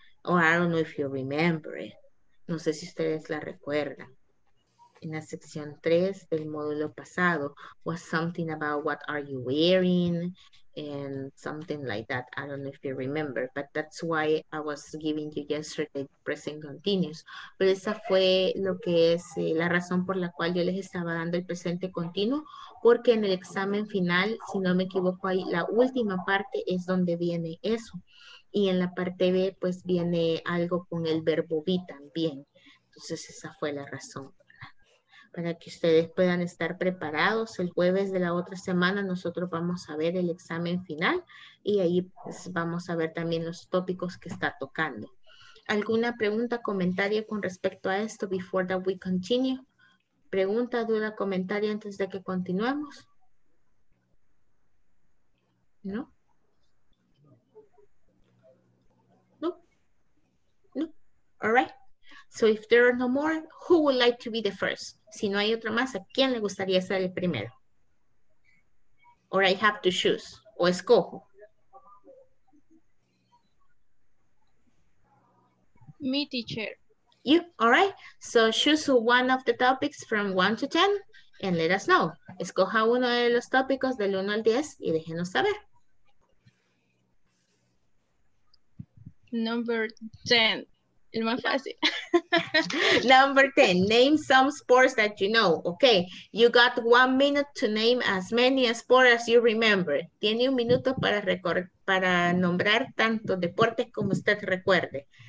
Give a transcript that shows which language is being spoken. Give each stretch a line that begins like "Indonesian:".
English: Oh, I don't know if you remember it.
Spanish: No sé si ustedes la recuerdan. En la sección 3 del módulo pasado,
English: was something about what are you wearing and something like that. I don't know if you remember, but that's why I was giving you yesterday present continuous.
Spanish: Pero esa fue lo que es la razón por la cual yo les estaba dando el presente continuo, porque en el examen final, si no me equivoco, ahí la última parte es donde viene eso. Y en la parte B, pues, viene algo con el verbo be también. Entonces, esa fue la razón. para que ustedes puedan estar preparados. El jueves de la otra semana nosotros vamos a ver el examen final y ahí pues vamos a ver también los tópicos que está tocando. ¿Alguna pregunta, comentario con respecto a esto
English: before that we continue?
Spanish: ¿Pregunta, duda, comentario antes de que continuemos? ¿No? ¿No? ¿No?
English: All right. So if there are no more, who would like to be the first?
Spanish: Si no hay otra más, ¿a quién le gustaría ser el primero?
English: Or I have to choose.
Spanish: O escojo.
English: Me, teacher. You, all right. So choose one of the topics from 1 to 10 and let us know.
Spanish: Escoja uno de los tópicos del 1 al 10 y déjenos saber.
English: Number 10.
Spanish: El más fácil.
English: Number 10. Name some sports that you know. Okay. You got 1 minute to name as many sports as you remember.
Spanish: Tiene un minuto para nombrar tanto deportes como usted recuerde.